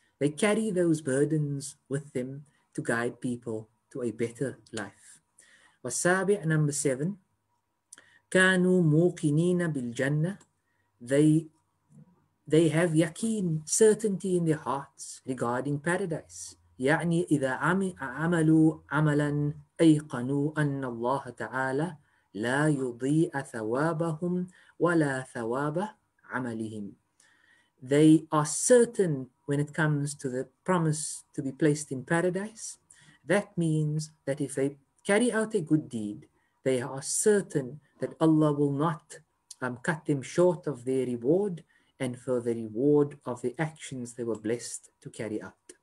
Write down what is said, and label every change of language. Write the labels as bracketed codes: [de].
[en] They carry those burdens with them to guide people to a better life. [ar] والسابع, [en] number seven, [ar] كانوا موقنين بالجنة, [en] they have yakin, certainty in their hearts regarding paradise. [ar] يعني إذا عملوا عملا أيقنوا أن الله تعالى لا يضيء ثوابهم ولا ثواب عملهم. [en] They are certain when it comes to the promise to be placed in paradise. That means that if they carry out a good deed, they are certain that Allah will not cut them short of their reward and for the reward of the actions they were blessed to carry out.